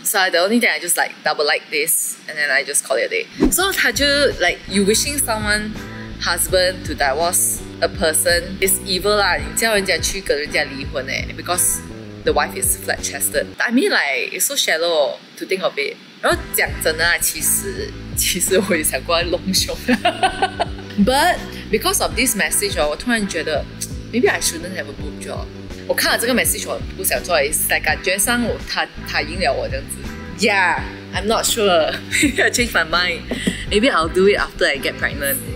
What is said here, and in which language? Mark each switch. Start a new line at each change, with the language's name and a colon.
English: So the only thing I just like double like this, and then I just call it a day. So he just like you wishing someone husband to divorce a person is evil lah. You 叫人家去跟人家离婚诶 because the wife is flat chested. I mean like it's so shallow to think of it.
Chinese: 然后讲真的，其实我也想过隆胸。
English: But because of this message, 我突然觉得 maybe I shouldn't have a boob job.
Chinese: 我看了这个 message, 我不想做，感觉上他赢了我这样子。Yeah,
English: I'm not sure. I changed my mind. Maybe I'll do it after I get pregnant.